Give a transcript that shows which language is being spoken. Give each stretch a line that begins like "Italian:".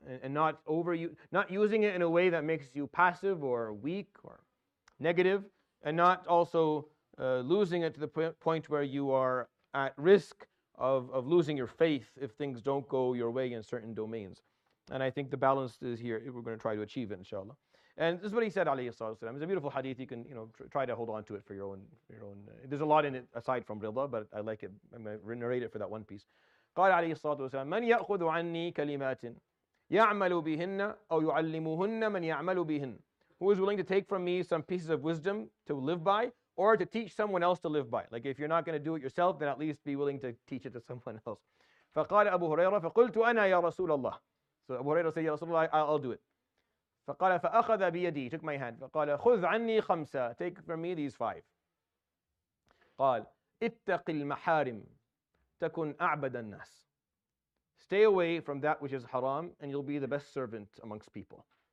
English: And not over you, not using it in a way that makes you passive or weak or negative, and not also losing it to the point where you are at risk of losing your faith if things don't go your way in certain domains. And I think the balance is here. We're going to try to achieve it, inshallah. And this is what he said, alayhi salatu wasalam. It's a beautiful hadith. You can, you know, try to hold on to it for your own. There's a lot in it aside from rida, but I like it. I'm going to narrate it for that one piece.
Arabic: قال عليه الصلاة والسلام من يأخذ عني كلمات يعمل بهن أو يعلمهن من يعمل بهن.
English: Who is willing to take from me some pieces of wisdom to live by, or to teach someone else to live by? Like, if you're not going to do it yourself, then at least be willing to teach it to someone else.
Arabic: فقال أبو هريرة فقلت أنا يا رسول الله.
English: So Abu Hurairah said,
Arabic: يا رسول الله,
English: I'll do it.
Arabic: فقال فأخذ بيدي,
English: took my hand.
Arabic: فقال خذ عني خمسة,
English: take from me these five.
Arabic: قال اتق المحارم تكن أعبد الناس.
English: Stay away from that which is haram, and you'll be the best servant amongst people.